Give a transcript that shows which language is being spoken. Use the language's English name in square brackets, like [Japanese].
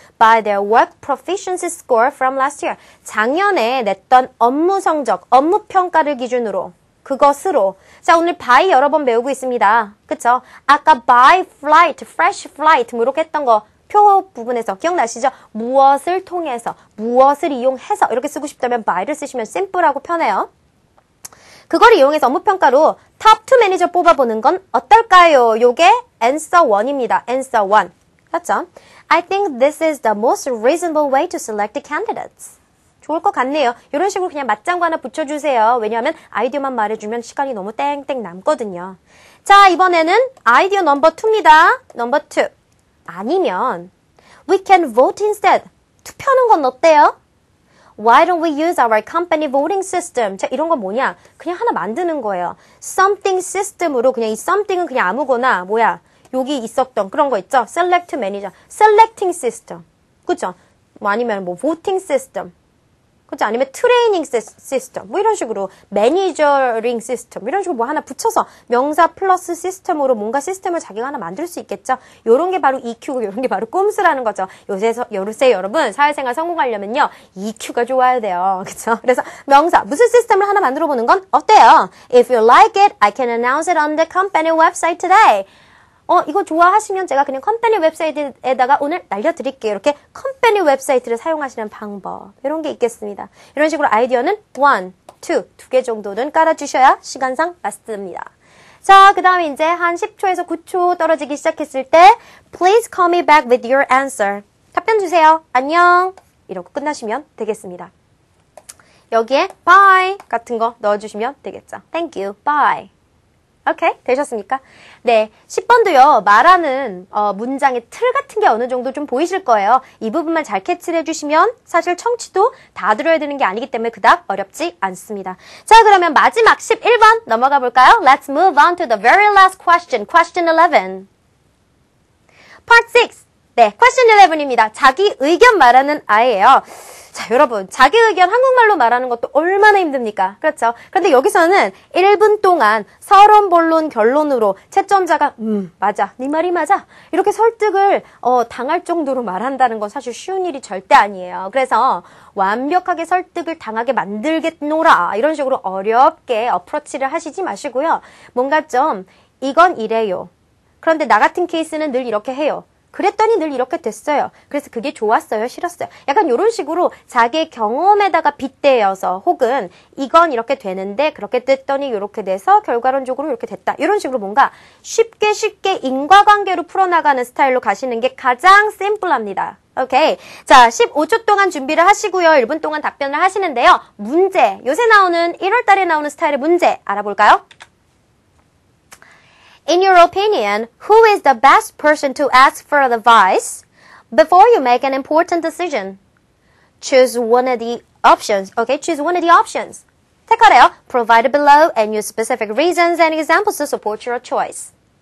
[English] By their work proficiency score from last year. [Korean] 작년에 냈던 업무 성적, 업무 평가를 기준으로. 그것으로. 자, 오늘 by 여러 번 배우고 있습니다. 그쵸? 아까 by flight, fresh flight, 뭐 이렇게 했던 거 표 부분에서 기억나시죠? 무엇을 통해서, 무엇을 이용해서 이렇게 쓰고 싶다면 by를 쓰시면 심플하고 편해요. 그걸 이용해서 업무 평가로 top 2 manager 뽑아보는 건 어떨까요? 요게 answer 1입니다. answer 1. 그렇죠? [English] I think this is the most reasonable way to select the candidates. [Korean] 좋을 것 같네요. 이런 식으로 그냥 맞장구 하나 붙여주세요. 왜냐하면 아이디어만 말해주면 시간이 너무 땡땡 남거든요. 자, 이번에는 아이디어 넘버 2입니다. 넘버 2. 아니면 [English] we can vote instead. [Korean] 투표하는 건 어때요? [English] Why don't we use our company voting system? [Korean] 자, 이런 건 뭐냐? 그냥 하나 만드는 거예요. Something system으로 그냥 이 something은 그냥 아무거나 뭐야? 여기 있었던 그런 거 있죠? Select manager. Selecting system. 그쵸? 뭐 아니면 뭐 voting system. 그죠? 아니면 트레이닝 시스템 뭐 이런 식으로 매니저링 시스템 이런 식으로 뭐 하나 붙여서 명사 플러스 시스템으로 뭔가 시스템을 자기가 하나 만들 수 있겠죠? 이런 게 바로 EQ고 이런 게 바로 꼼수라는 거죠. 요새 여러분 사회생활 성공하려면요 EQ가 좋아야 돼요. 그렇죠? 그래서 명사 무슨 시스템을 하나 만들어 보는 건 어때요? [English] If you like it, I can announce it on the company website today. [Korean] 이거 좋아하시면 제가 그냥 컴퍼니 웹사이트에다가 오늘 날려드릴게요. 이렇게 컴퍼니 웹사이트를 사용하시는 방법. 이런 게 있겠습니다. 이런 식으로 아이디어는 1, 2, 두 개 정도는 깔아주셔야 시간상 맞습니다. 자, 그 다음에 이제 한 10초에서 9초 떨어지기 시작했을 때 [English] Please call me back with your answer. [Korean] 답변 주세요. 안녕. 이러고 끝나시면 되겠습니다. 여기에 bye 같은 거 넣어주시면 되겠죠. [English] Thank you. Bye. [Korean] 오케이, 되셨습니까? 네, 10번도요, 말하는 문장의 틀 같은 게 어느 정도 좀 보이실 거예요. 이 부분만 잘 캐치를 해주시면 사실 청취도 다 들어야 되는 게 아니기 때문에 그닥 어렵지 않습니다. 자, 그러면 마지막 11번 넘어가 볼까요? [English] Let's move on to the very last question, question 11. [Korean] Part 6. 네, question 11입니다. 자기 의견 말하는 아이예요. 자, 여러분, 자기 의견 한국말로 말하는 것도 얼마나 힘듭니까? 그렇죠? 그런데 여기서는 1분 동안 서론, 본론, 결론으로 채점자가 맞아, 네 말이 맞아 이렇게 설득을 당할 정도로 말한다는 건 사실 쉬운 일이 절대 아니에요. 그래서 완벽하게 설득을 당하게 만들겠노라 이런 식으로 어렵게 어프로치를 하시지 마시고요. 뭔가 좀 이건 이래요. 그런데 나 같은 케이스는 늘 이렇게 해요. 그랬더니 늘 이렇게 됐어요. 그래서 그게 좋았어요? 싫었어요? 약간 이런 식으로 자기의 경험에다가 빗대어서 혹은 이건 이렇게 되는데 그렇게 됐더니 이렇게 돼서 결과론적으로 이렇게 됐다. 이런 식으로 뭔가 쉽게 쉽게 인과관계로 풀어나가는 스타일로 가시는 게 가장 심플합니다. 오케이. 자, 15초 동안 준비를 하시고요. 1분 동안 답변을 하시는데요. 문제, 요새 나오는 1월 달에 나오는 스타일의 문제 알아볼까요? [English] In your opinion, who is the best person to ask for advice before you make an important decision? Choose one of the options. Okay, choose one of the options. [Korean] 택하래요. [English] Provide below and use specific reasons and examples to support your choice.